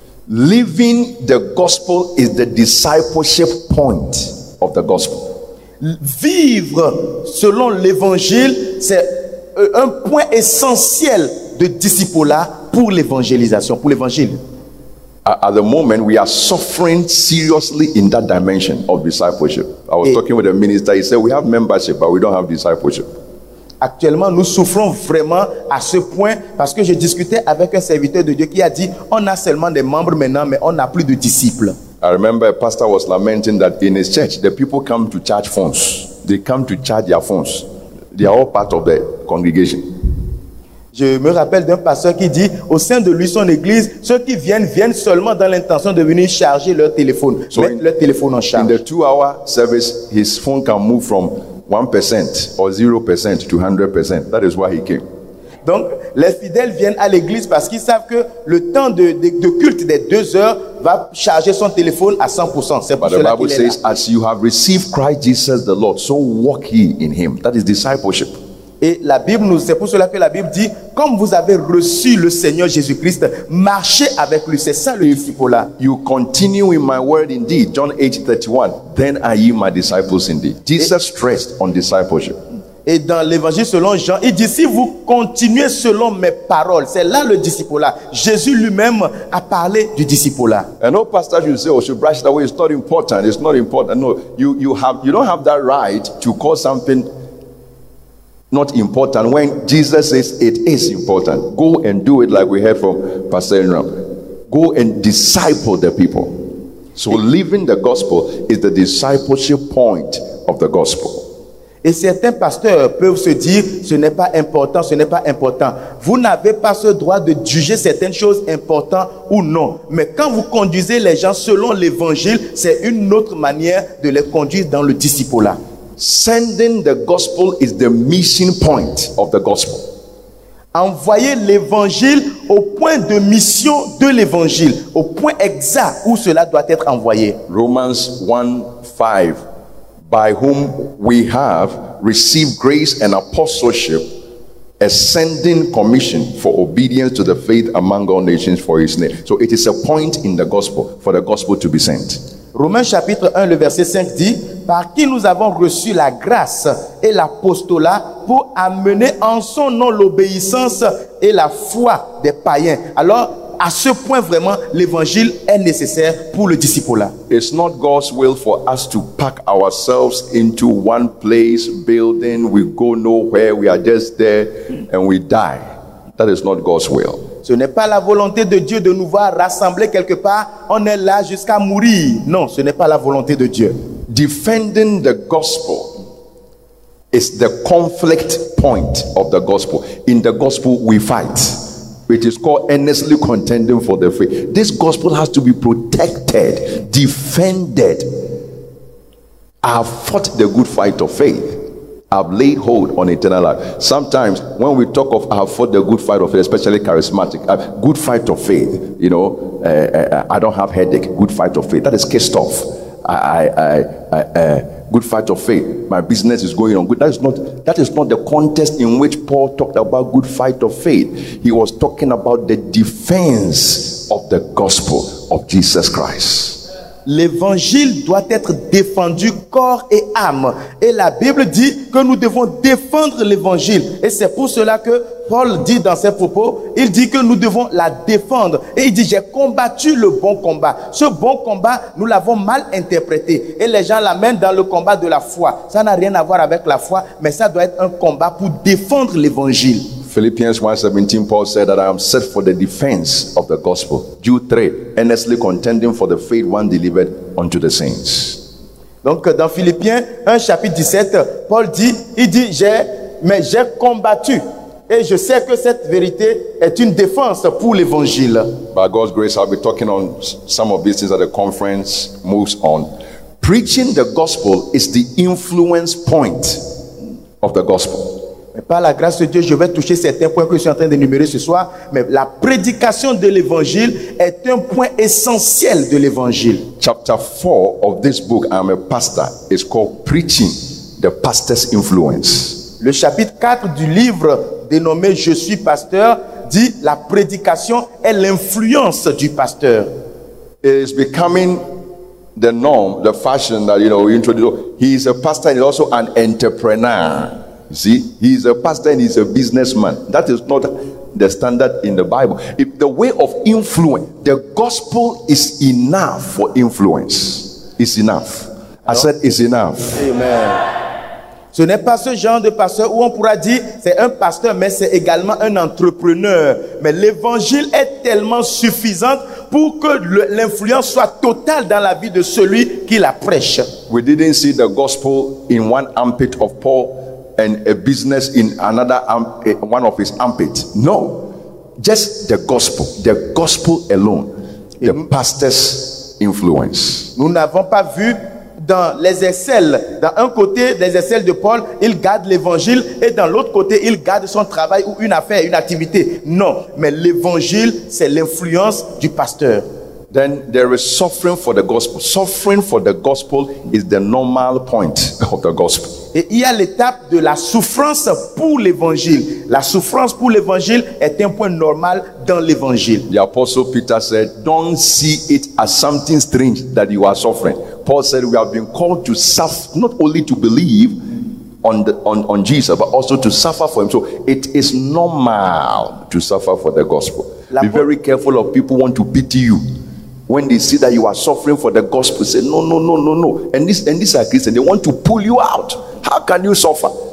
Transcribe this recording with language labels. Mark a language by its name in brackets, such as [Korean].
[English] Living the gospel is the discipleship point of the gospel. [French] Vivre selon l'évangile, c'est un point essentiel de discipleship pour l'évangélisation, pour l'évangile. [English] At the moment, we are suffering seriously in that dimension of discipleship. I was talking with a minister. He said, we have membership, but we don't have discipleship. [French] Actuellement, nous souffrons vraiment à ce point parce que je discutais avec un serviteur de Dieu qui a dit, on a seulement des membres maintenant, mais on n'a plus de disciples. [English] I remember a pastor was lamenting that in his church, the people come to charge funds. They come to charge their funds. They are all part of the congregation. [French] Je me rappelle d'un pasteur qui dit, au sein de lui, son église, ceux qui viennent, viennent seulement dans l'intention de venir charger leur téléphone, so mettre leur téléphone en charge. [English] In the 2-hour service, his phone can move from 1% or 0% to 100%. That is why he came. [French] Donc, les fidèles viennent à l'église parce qu'ils savent que le temps de culte des 2 heures va charger son téléphone à 100%. C'est pour cela qu'il est là. [English] But the Bible says, as you have received Christ Jesus the Lord, so walk ye in him. That is discipleship. [French] Et la Bible nous, c'est pour cela que la Bible dit, comme vous avez reçu le Seigneur Jésus-Christ, marchez avec lui. C'est ça le disciple-là. [English] You continue in my word indeed, John 8:31. Then are you my disciples indeed. Jesus stressed on discipleship. [French] Et dans l'évangile selon Jean, il dit, si vous continuez selon mes paroles, c'est là le disciple-là. Jésus lui-même a parlé du disciple-là. [English] And no pastor should say, oh, should brush it away. It's not important. It's not important. No, you don't have that right to call something not important when Jesus says it is important. Go and do it like we heard from Pastor Enram. Go and disciple the people. So living the gospel is the discipleship point of the gospel. [French] Et certains pasteurs peuvent se dire, ce n'est pas important, ce n'est pas important. Vous n'avez pas ce droit de juger certaines choses importantes ou non. Mais quand vous conduisez les gens selon l'évangile, c'est une autre manière de les conduire dans le discipleship. [English] Sending the gospel is the mission point of the gospel. [French] Envoyer l'évangile au point de mission de l'évangile, au point exact où cela doit être envoyé. [English] Romans 1:5. By whom we have received grace and apostleship, a sending commission for obedience to the faith among all nations for his name. So it is a point in the gospel for the gospel to be sent. [French] Romains chapitre 1, le verset 5 dit, par qui nous avons reçu la grâce et l'apostolat pour amener en son nom l'obéissance et la foi des païens. Alors, à ce point vraiment, l'évangile est nécessaire pour le discipleship. [English] It's not God's will for us to pack ourselves into one place, building, we go nowhere, we are just there and we die. That is not God's will. [French] Ce n'est pas la volonté de Dieu de nous voir rassemblés quelque part, on est là jusqu'à mourir. Non, ce n'est pas la volonté de Dieu. [English] Defending the gospel is the conflict point of the gospel. In the gospel, we fight. It is called earnestly contending for the faith. This gospel has to be protected, defended. I have fought the good fight of faith. I've laid hold on eternal life. Sometimes when we talk of I have fought the good fight of faith, especially charismatic, good fight of faith, you know, I don't have headache, good fight of faith. That is cased off. Good fight of faith. My business is going on good. That is not the context in which Paul talked about good fight of faith. He was talking about the defense of the gospel of Jesus Christ. [French] L'évangile doit être défendu corps et âme. Et la Bible dit que nous devons défendre l'évangile. Et c'est pour cela que Paul dit dans ses propos, il dit que nous devons la défendre. Et il dit, j'ai combattu le bon combat. Ce bon combat, nous l'avons mal interprété. Et les gens l'amènent dans le combat de la foi. Ça n'a rien à voir avec la foi, mais ça doit être un combat pour défendre l'évangile. [English] Philippians 1:17, Paul said that I am set for the defense of the gospel. Jude 3, earnestly contending for the faith one delivered unto the saints. [French] Donc dans Philippiens 1, chapitre 17, Paul dit, j'ai combattu. Et je sais que cette vérité est une défense pour l'évangile. [English] By God's grace, I'll be talking on some of these things that the conference moves on. Preaching the gospel is the influence point of the gospel. [French] Par la grâce de Dieu, je vais toucher certains points que je suis en train d'énumérer ce soir. Mais la prédication de l'évangile est un point essentiel de l'évangile. [English] Chapter 4 of this book, I'm a pastor, is called Preaching, the Pastor's Influence. [French] Le chapitre 4 du livre dénommé Je suis pasteur dit la prédication est l'influence du pasteur. [English] It is becoming the norm, the fashion that, you know, we introduce. He is a pastor and also an entrepreneur. See, he's a pastor and he's a businessman. That is not the standard in the Bible. If the way of influence, the gospel is enough for influence. It's enough. I said it's enough. Amen. [French] Ce n'est pas ce genre de pasteur où on pourra dire c'est un pasteur, mais c'est également un entrepreneur. Mais l'évangile est tellement suffisante pour que l'influence soit totale dans la vie de celui qui la prêche. [English] We didn't see the gospel in one armpit of Paul and a business in another one of his armpits. No, just the gospel alone, the pastor's influence. [French] Nous n'avons pas vu dans les aisselles, dans un côté des aisselles de Paul, il garde l'évangile, et dans l'autre côté, il garde son travail ou une affaire, une activité. Non, mais l'évangile, c'est l'influence du pasteur. [English] Then there is suffering for the gospel. Suffering for the gospel is the normal point of the gospel. [French] Et il y a l'étape de la souffrance pour l'évangile. La souffrance pour l'évangile est un point normal dans l'évangile. [English] The apostle Peter said, don't see it as something strange that you are suffering. Paul said, we have been called to suffer, not only to believe on Jesus, but also to suffer for him. So it is normal to suffer for the gospel. Be very careful of people want to pity you. When they see that you are suffering for the gospel, say, no. And these are Christians, they want to pull you out. How can you suffer?